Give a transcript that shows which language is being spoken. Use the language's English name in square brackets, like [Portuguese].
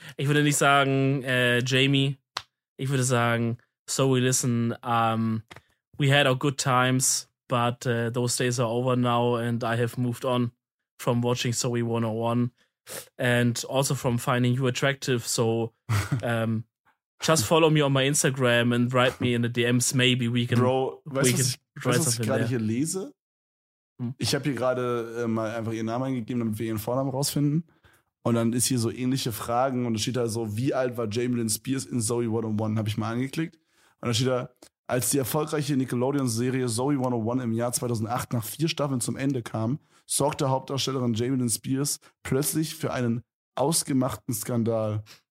[German] Ich würde nicht sagen, Jamie. ich würde sagen, [English] so we listen, we had our good times, but those days are over now and I have moved on from watching Zoey 101 and also from finding you attractive, so just follow me on my Instagram and write me in the DMs, maybe we can... [German] Bro, weißt du, was ich gerade hier lese? Ich habe hier gerade mal einfach ihren Namen eingegeben, damit wir ihren Vornamen rausfinden. Und dann ist hier so ähnliche Fragen und da steht da so, wie alt war Jamie Lynn Spears in Zoey 101? Habe ich mal angeklickt. Und da steht da, als die erfolgreiche Nickelodeon-Serie Zoey 101 im Jahr 2008 nach 4 Staffeln zum Ende kam, sorgte Hauptdarstellerin Jamie Lynn Spears plötzlich für einen ausgemachten Skandal.